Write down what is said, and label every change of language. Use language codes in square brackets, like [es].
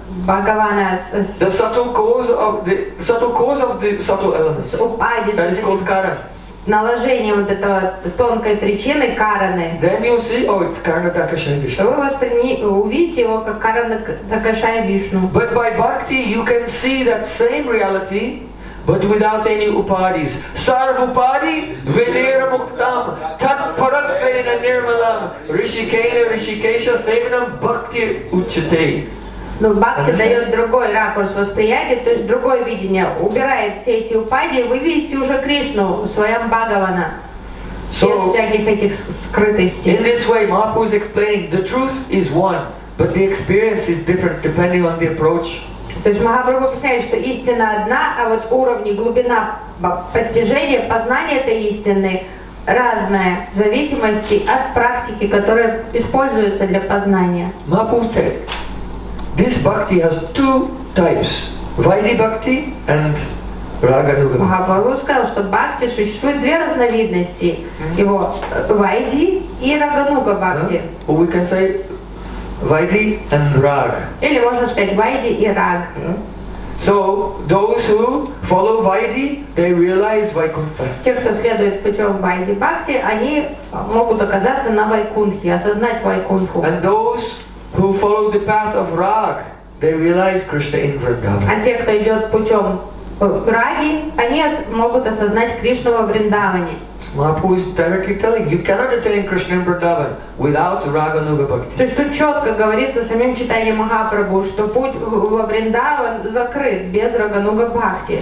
[ru] Бхагавана с [en] the subtle cause of the subtle elements. [ru] Упади, [en] that is called кара. [ru] Наложение вот этого тонкой причины караны. [en] Then you see, oh, it's Карна Дакшая Вишну. [ru] Вы увидите его как Карна Дакшая Вишну. [en] But by bhakti you can see that same reality, but without any upadis. [sa] Sarva upadi vinira muktam tat parakvena nirmalam rishikena rishikesha sevanam bhakti uchate. [ru] Но бхакти дает другой ракурс восприятия, то есть другое видение, убирает все эти упади, вы видите уже Кришну в своем Бхагавана. [en] So, [ru] без всяких этих скрытостей. [en] In this way Mahaprabhu is explaining the truth is one, but the experience is different depending on the approach. [ru] То есть Махапрабху объясняет, что истина одна, а вот уровни, глубина постижения, познания этой истины разная в зависимости от практики, которая используется для познания. [en] Mahaprabhu said, this bhakti has two types. Vaidhi Bhakti and Raga Nuga. [ru] Махапрабху сказал, что бхакти существует две разновидности. Mm-hmm. Его Vaidhi и Raga Nuga Bhakti. [en] No? Or we can say Vaidhi and Rag. [ru] Или можно сказать Vaidhi и Rag. [en] So those who follow Vaidhi, they realize Vaikuntha. [ru] Те, кто следует путем Vaidhi Bhakti, они могут оказаться на Вайкунтхе, осознать Вайкунтху. [en] And those who follow the path of Rag, they realize Krishna in Vrindavan. [ru] А те, кто идет путем Раги, они могут осознать Кришну во Вриндаване. [en] Mahaprabhu is directly telling you cannot attain Krishna in Vrindavan without Raga Nuga Bhakti. [ru] То есть тут четко говорится в самом читании Махапрабху, что путь во Вриндаван закрыт без Рага Нуга Бхакти.